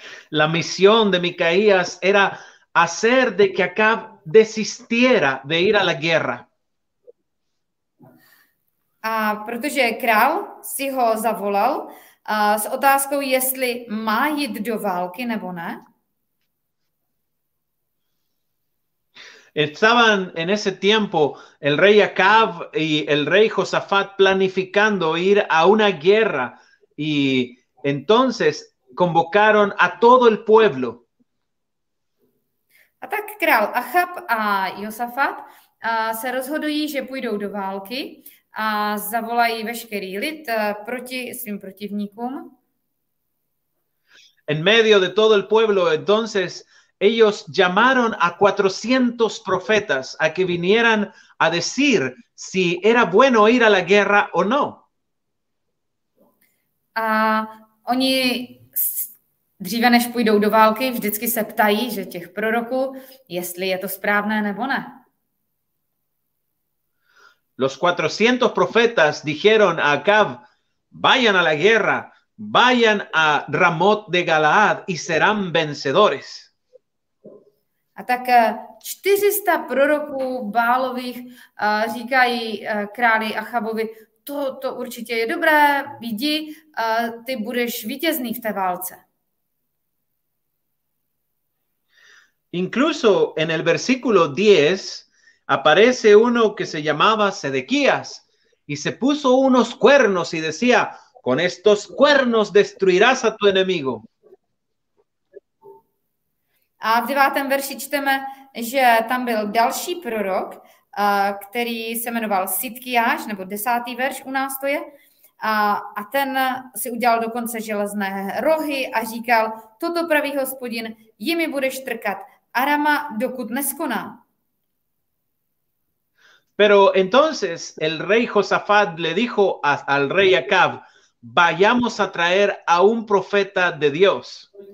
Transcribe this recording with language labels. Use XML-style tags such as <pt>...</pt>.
<es>La misión de Micaías era hacer de que Acab desistiera de ir a la guerra.</es> <cs>A protože král si ho zavolal s otázkou, jestli má jít do války nebo ne.</cs> <es>Estaban en ese tiempo el rey Acab y el rey Josafat planificando ir a una guerra y entonces convocaron a todo el pueblo.</es> <cs>A tak král Achab a Josafat se rozhodují, že půjdou do války a zavolají veškerý lid proti svým protivníkům.</cs> <es>En medio de todo el pueblo, entonces ellos llamaron a 400 profetas a que vinieran a decir si era bueno ir a la guerra o no.</es> <cs>A oni dříve než půjdou do války, vždycky se ptají, že těch proroků, jestli je to správné nebo ne.</cs> <es>Los 400 profetas dijeron a Acab, vayan a la guerra, vayan a Ramot de Galaad y serán vencedores.</es> <cs>A tak 400 proroků Bálových říkají králi Achabovi, to určitě je dobré, vidí, ty budeš vítězný v té válce.</cs> <es>Incluso en el versículo 10 aparece uno que se llamaba Sedequías y se puso unos cuernos y decía, con estos cuernos destruirás a tu enemigo.</es> <cs>A v 9. verši čteme, že tam byl další prorok, který se jmenoval Sidkiáš, nebo 10. verš u nás to je, a ten si udělal dokonce železné rohy a říkal, toto pravý Hospodin, jimi budeš trkat Arama, dokud neskoná.</cs> <es>Pero entonces el rey Josafat le dijo al rey Acab, vayamos a traer a un profeta de Dios.</es>